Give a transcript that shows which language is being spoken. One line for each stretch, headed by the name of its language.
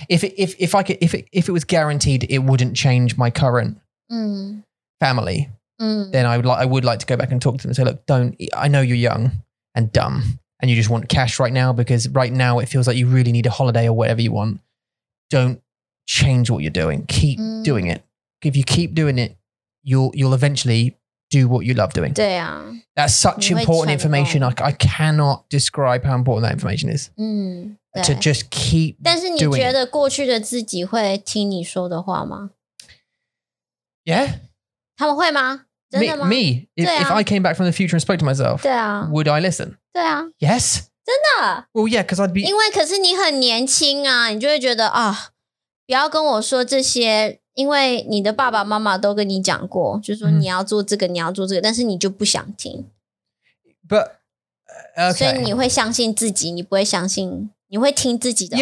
English: If it was guaranteed it wouldn't change my current family, then I would like to go back and talk to them and say, look, don't, I know you're young and dumb and you just want cash right now because right now it feels like you really need a holiday or whatever you want. Don't change what you're doing. Keep doing it. If you keep doing it, you'll eventually do what you love doing. That's such important information. I cannot describe how important that information is. To just keep doing it.
Chinese: 但是你觉得过去的自己会听你说的话吗?
English: Yeah.
Chinese: 他们会吗?真的吗?
English: Me. If I came back from the future and spoke to myself, would I listen?
Chinese: 对啊。
English: Yes.
Chinese: 真的?
English: Well, yeah, because I'd be...
Chinese: 因为可是你很年轻啊, 你就会觉得, 啊, 不要跟我说这些... 因为你的爸爸妈妈都跟你讲过, 就说你要做这个, 你要做这个, 但是你就不想听。
English: But, okay.
Chinese: 所以你会相信自己, 你不会相信, 你会听自己的话。